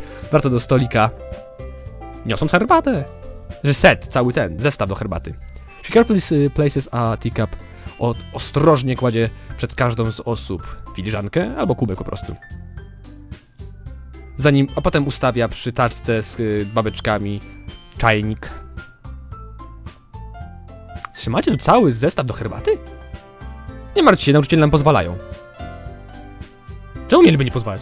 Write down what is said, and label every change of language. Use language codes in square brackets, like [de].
[pl] Wraca do stolika, niosąc herbatę. Że set, cały ten, zestaw do herbaty. [en] She carefully places a teacup. [pl] Ostrożnie kładzie przed każdą z osób filiżankę albo kubek po prostu. A potem ustawia przy tarce z babeczkami czajnik. Czy macie tu cały zestaw do herbaty? Nie martw się, nauczyciele nam pozwalają. Czemu mieliby nie pozwalać?